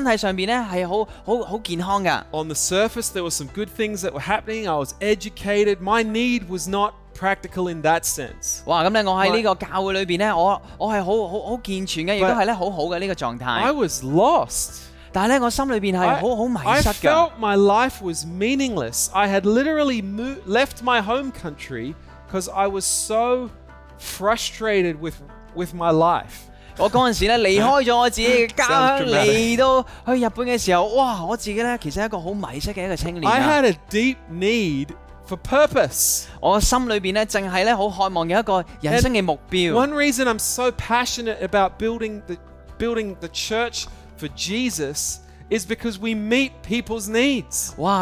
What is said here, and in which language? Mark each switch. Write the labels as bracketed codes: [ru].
[yue] 咁啊，喺我14年前咧嚟到呢個香港生命堂嘅時候咧，我咧即係身體上邊咧係好健康噶。 [en] On the surface, there were some good things that were happening. I was educated. My need was not practical in that sense. [yue] 哇！咁咧，我喺呢個教會裏邊咧，我係好健全嘅，亦都係咧好好嘅呢個狀態。 [en] But I was lost. [yue] 但係咧，我心裏邊係好好迷失㗎。 [en] I felt my life was meaningless. I had literally left my home country because I was so frustrated with my life. [yue] 我嗰陣時咧離開咗我自己嘅家鄉嚟到去日本嘅時候，哇！我自己咧其實係一個好迷失嘅一個青年。 [en] I had a deep need for purpose. [yue] 我心裏邊咧淨係咧好渴望有一個人生嘅目標。 [en] One reason I'm so passionate about building the church for Jesus is because we meet people's needs.